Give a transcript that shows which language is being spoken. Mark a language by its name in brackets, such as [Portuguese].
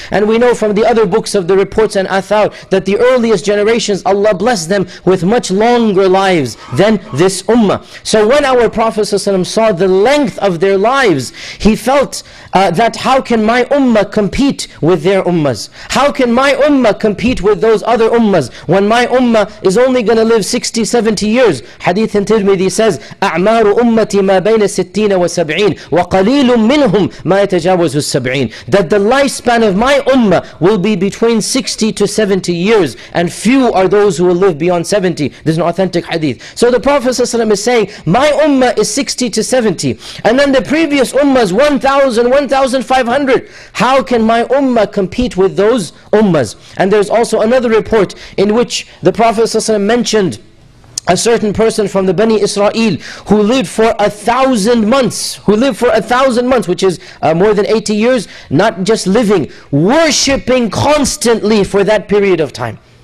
[English] And we know from the other books of the reports and athar that the earliest generations, Allah blessed them with much longer lives than this ummah. So when our Prophet ﷺ saw the length of their lives, he felt that how can my ummah compete with their ummahs? How can my ummah compete with those other ummahs when my ummah is only going to live 60, 70 years? Hadith in Tirmidhi says, [Arabic] أَعْمَارُ أُمَّتِ مَا بَيْنَ 60 وَسَبْعِينَ وَقَلِيلٌ مِّنْهُمْ مَا يَتَجَاوَزُ السَّبْعِينَ. [English] That the lifespan of my ummah will be between 60 to 70 years, and few are those who will live beyond 70. This is an authentic hadith. So the Prophet ﷺ is saying, my ummah is 60 to 70. And then the previous ummahs, 1,000, 1,500. How can my ummah compete with those ummahs? And there's also another report in which the Prophet ﷺ mentioned a certain person from the Bani Israel who lived for 1,000 months, who lived for 1,000 months, which is more than 80 years, not just living, worshipping constantly for that period of time.